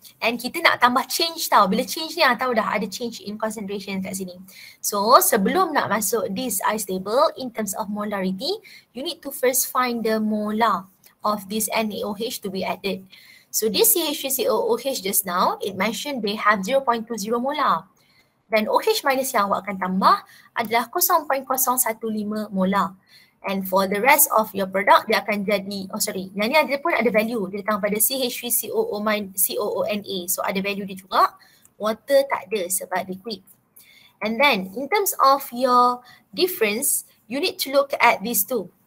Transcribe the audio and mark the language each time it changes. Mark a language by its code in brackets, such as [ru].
[ms] And kita nak tambah change tau. Bila change ni, tahu dah ada [en] change in concentration [ms] kat sini. [en] So, [ms] sebelum nak masuk [en] this ice table in terms of molarity, you need to first find the molar of this NaOH to be added. So this CH3COOH just now, it mentioned they have 0.20 molar. [ms] Then OH minus yang awak akan tambah adalah 0.015 molar. [en] And for the rest of your product, [ms] dia akan jadi, [en] oh sorry, [ms] yang ni ada pun ada value. Dia datang pada CH3COONA. So ada value dia juga. Water tak ada sebab liquid. [en] And then in terms of your difference, you need to look at these two.